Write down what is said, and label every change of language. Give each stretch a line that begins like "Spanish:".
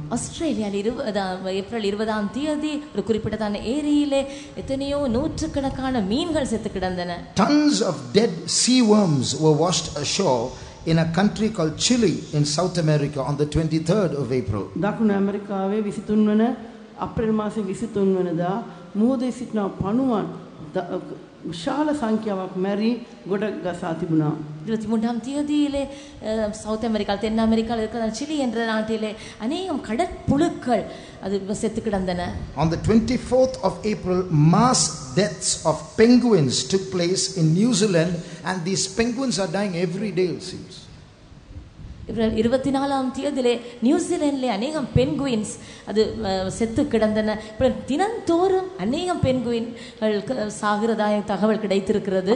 Tamil: Australia 20 April 20ஆம் தேதி ஒரு குறிப்பிட்டதான ஏரியிலே எத்தனையோ நூற்றுக்கணக்கான மீன்கள் செத்து கிடந்தன.
English: Tons of dead sea worms were washed ashore in a country called Chile in South America on the 23rd of April.
Sinhala: දකුණු ඇමරිකාවේ 23 වන අප්‍රේල් මාසේ 23 වනදා මුහුදේ සිටන පණුවන් විශාල සංඛ්‍යාවක් මැරි ගොඩ ගසා තිබුණා.
Tamil: 23ஆம் தேதியிலே சவுத் அமெரிக்கா தென் அமெரிக்கால இருக்கிற சிலி என்ற நாட்டிலே அநேகம் கடற்புழுக்கள் அது செத்து கிடந்தன.
English: On the 24th of April mass deaths of penguins took place in New Zealand and these penguins are dying every day it seems.
Tamil: 24ஆம் தேதியிலே நியூசிலாந்திலே அநேகம் பெங்குயின்ஸ் அது செத்து கிடந்தன. அப்புறம் தினந்தோறும் அநேகம் பெங்குயின்கள் சாகிறதாய் தகவல் கிடைத்திருக்கிறது.